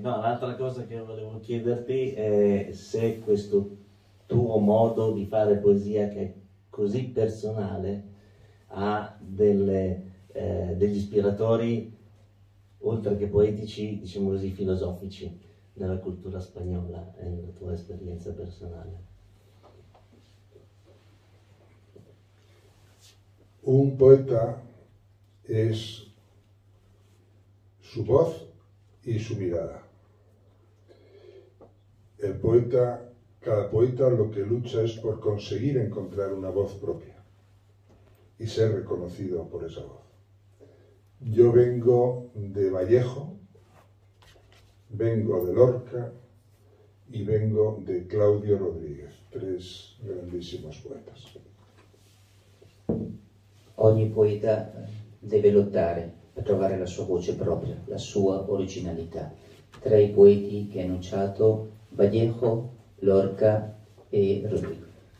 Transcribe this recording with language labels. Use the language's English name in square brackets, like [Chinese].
[Italian] No, l'altra cosa che volevo chiederti è se questo tuo modo di fare poesia, che è così personale, ha degli ispiratori, oltre che poetici, diciamo così, filosofici. Nella cultura spagnola e nella tua esperienza personale? [Spanish] Un poeta es su voz y su mirada. El poeta, cada poeta lo que lucha es por conseguir encontrar una voz propia y ser reconocido por esa voz. Yo vengo de Vallejo, vengo de Lorca y vengo de Claudio Rodríguez, tres grandísimos poetas. [Italian] Ogni poeta deve lottare per trovare la sua voce propria, la sua originalità. Tra i poeti che ha annunciato, Vallejo, Lorca e Rodríguez.